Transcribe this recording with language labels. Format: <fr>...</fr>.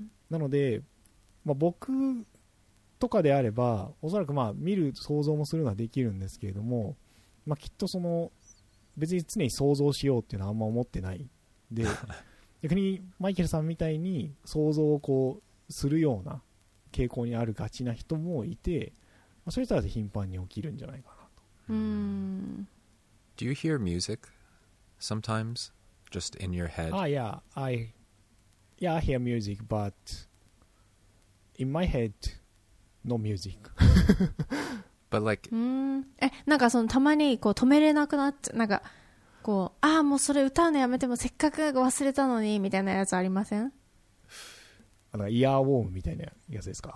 <ja>なので、まあ、僕とかであればおそらくまあ見る想像もするのはできるんですけれども、まあ、きっとその別に常に想像しようっていうのはあんま思ってないで逆にマイケルさんみたいに想像をこうするような傾向にあるがちな人もいて、まあ、そういう人は頻繁に起きるんじゃないかな。</ja> <en>Do you hear music sometimes, just in your head? I hear music, but in my head, no music. But like,</en> <ja>なんかそのたまにこう止めれなくなって、なんかこう、ああもうそれ歌うのやめても、せっかく忘れたのにみたいなやつありません？あのイヤーウォームみたいなやつですか？</ja>